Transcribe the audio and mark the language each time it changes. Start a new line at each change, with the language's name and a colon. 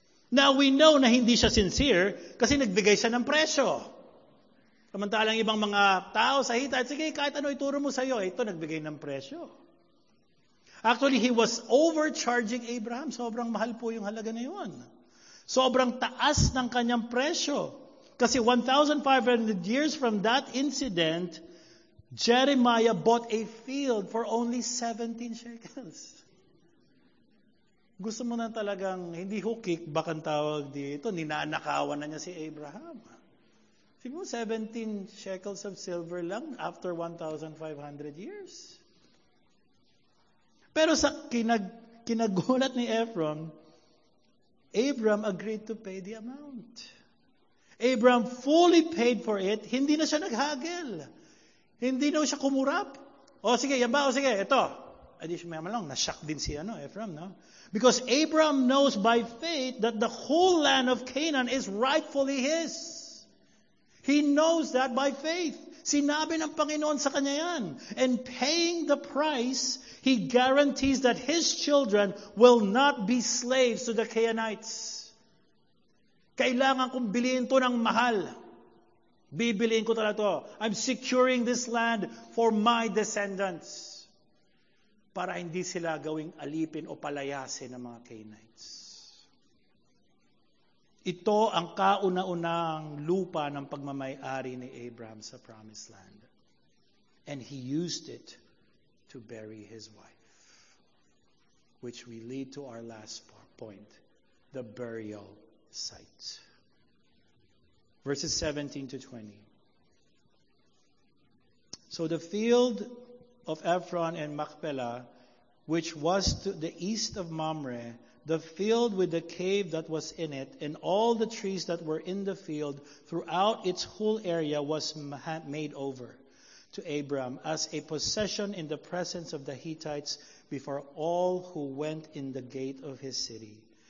English: Now we know
Filipino: na hindi siya sincere kasi nagbigay siya ng presyo. Samantalang ibang mga tao sa hita, sige, kahit ano ituro mo sa'yo, ito nagbigay ng presyo.
English: Actually, he was overcharging Abraham.
Filipino: Sobrang mahal po yung halaga na yun. Sobrang taas ng kanyang presyo.
English: Kasi 1,500 years from that incident, Jeremiah bought a field for only 17 shekels.
Filipino: Gusto mo na talagang, hindi hukik, bakang tawag dito, ninanakawan na niya si Abraham. Sige mo,
English: 17 shekels of silver lang after 1,500 years.
Filipino: Pero sa kinagulat ni Ephron,
English: Abraham agreed to pay the amount. Abraham fully paid for it.
Filipino: Hindi na siya naghagel. Hindi na siya kumurap. O sige, yan ba? O sige, ito. Nasyak din si Ephraim, no?
English: Because Abraham knows by faith that the whole land of Canaan is rightfully his. He knows that by faith.
Filipino: Sinabi ng Panginoon sa kanya yan.
English: And paying the price, he guarantees that his children will not be slaves to the Canaanites.
Filipino: Kailangan kong bilhin to ng mahal. Bibilhin ko talaga to.
English: I'm securing this land for my descendants.
Filipino: Para hindi sila gawing alipin o palayasin ng mga Canaanites. Ito ang kauna-unang lupa ng pagmamay-ari ni Abraham sa Promised Land.
English: And he used it to bury his wife. Which we lead to our last point, the burial site. Verses 17 to 20. So the field of Ephron and Machpelah, which was to the east of Mamre, the field with the cave that was in it, and all the trees that were in the field throughout its whole area was made over to Abram as a possession in the presence of the Hittites before all who went in the gate of his city.